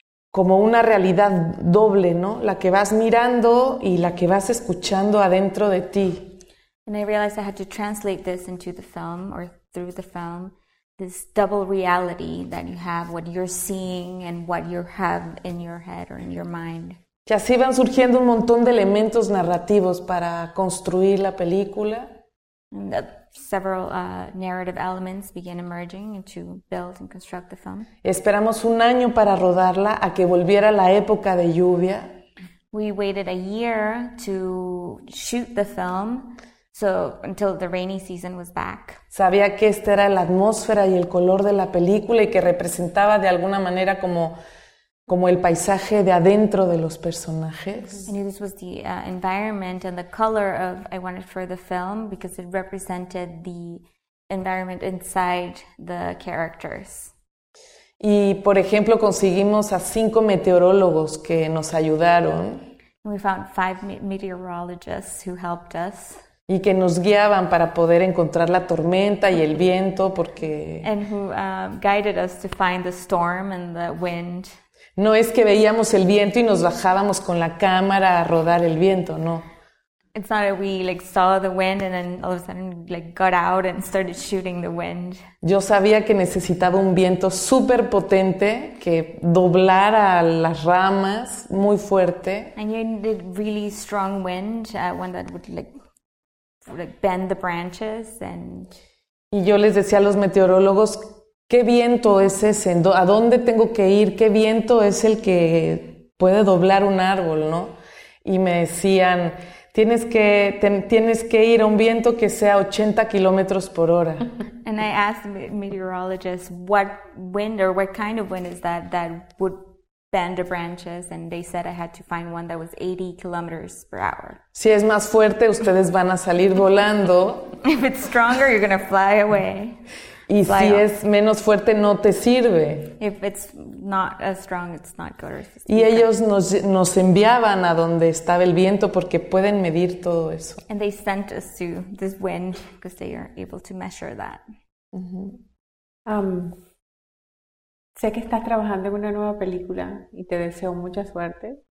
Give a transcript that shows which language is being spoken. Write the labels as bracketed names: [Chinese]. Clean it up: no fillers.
[Spanish] Como una realidad doble, ¿no? La que vas mirando y la que vas escuchando adentro de ti. [English] And I realized I had to translate this into the film, or through the film, this double reality that you have, what you're seeing and what you have in your head or in your mind. [Spanish] Y así van surgiendo un montón de elementos narrativos para construir la película. [English] Several narrative elements begin emerging to build and construct the film. [Spanish] Esperamos un año para rodarla, a que volviera la época de lluvia. [English] We waited a year to shoot the film, so until the rainy season was back. [Spanish] Sabía que esta era la atmósfera y el color de la película, y que representaba de alguna manera como el paisaje de adentro de los personajes. [English] I knew this was the environment and the color of I wanted for the film, because it represented the environment inside the characters. [Spanish] Y, por ejemplo, conseguimos a 5 meteorólogos que nos ayudaron. [English] We found 5 meteorologists who helped us. [Spanish] Y que nos guiaban para poder encontrar la tormenta y el viento, porque... [English] And who guided us to find the storm and the wind. [Spanish] No es que veíamos el viento y nos bajábamos con la cámara a rodar el viento, no. [English] It's not that we like saw the wind and then all of a sudden like got out and started shooting the wind. [Spanish] Yo sabía que necesitaba un viento súper potente que doblara las ramas muy fuerte. [English] And you needed really strong wind, one that would bend the branches and... [Spanish] Y yo les decía a los meteorólogos, ¿qué viento es ese? ¿A dónde tengo que ir? ¿Qué viento es el que puede doblar un árbol, no? Y me decían, tienes que ir a un viento que sea 80 kilómetros por hora. [English] And I asked meteorologists, what wind or what kind of wind is that that would bend the branches? And they said I had to find one that was 80 kilometers per hour. [Spanish] Si es más fuerte, ustedes van a salir volando. [English] If it's stronger, you're going to fly away. [Spanish] Y si es menos fuerte, no te sirve. [English] If it's not as strong, it's not good. [Spanish] Y ellos nos enviaban a donde estaba el viento, porque pueden medir todo eso. [English] And they sent us to this wind because they are able to measure that. [Spanish] Sé que estás trabajando en una nueva película y te deseo mucha suerte.